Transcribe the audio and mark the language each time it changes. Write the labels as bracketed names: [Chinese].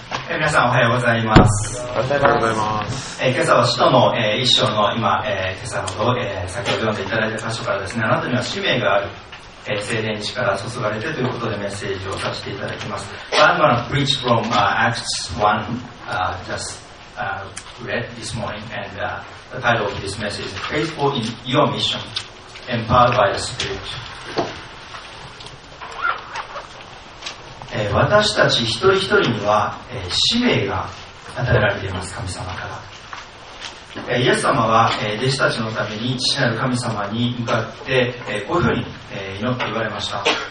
[Japanese] 皆さんおはようございます。おはようございます。今朝は使徒の一章の今、今朝ほど、先ほど読んでいただいた箇所からですね、あなたには使命がある、聖霊に力を注がれてということでメッセージをさせていただきます。 [English] I'm going to preach from Acts 1 read this morning, and the title of this message is Faithful in Your Mission Empowered by the Spirit。 [Japanese] 私たち一人一人には使命が与えられています。神様からイエス様は弟子たちのために父なる神様に向かってこういうふうに祈って言われました。